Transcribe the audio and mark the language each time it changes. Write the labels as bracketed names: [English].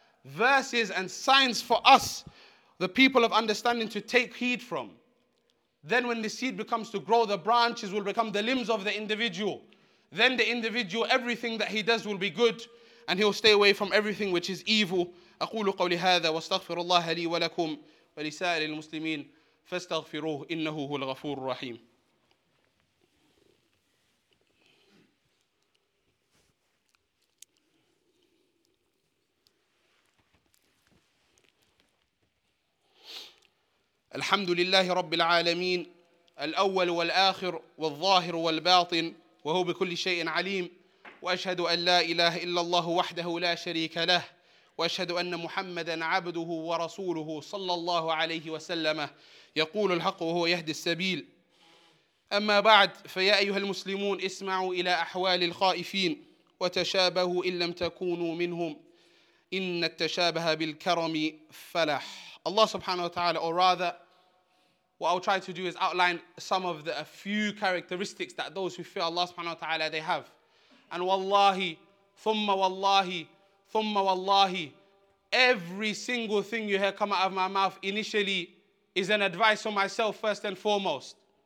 [English] Verses and signs for us, the people of understanding, to take heed from. Then when the seed becomes to grow, the branches will become the limbs of the individual. Then the individual, everything that he does will be good, and he will stay away from everything which is evil. [Arabic] أقول قولي هذا واستغفر الله لي ولكم ولسائر المسلمين فاستغفروه إنه هو الغفور الرحيم. الحمد لله رب العالمين الأول والآخر والظاهر والباطن وهو بكل شيء عليم وأشهد أن لا إله إلا الله وحده لا شريك له وأشهد أن محمدًا عبده ورسوله صلى الله عليه وسلم يقول الحق وهو يهدي السبيل أما بعد فيا أيها المسلمون اسمعوا إلى أحوال الخائفين وتشابهوا إن لم تكونوا منهم إن التشابه بالكرم فلح. [English] Allah subhanahu wa ta'ala, or rather, what I'll try to do is outline some of the a few characteristics that those who fear Allah subhanahu wa ta'ala, they have. And [Arabic] wallahi, thumma wallahi, thumma wallahi, [English] every single thing you hear come out of my mouth initially is an advice for myself first and foremost.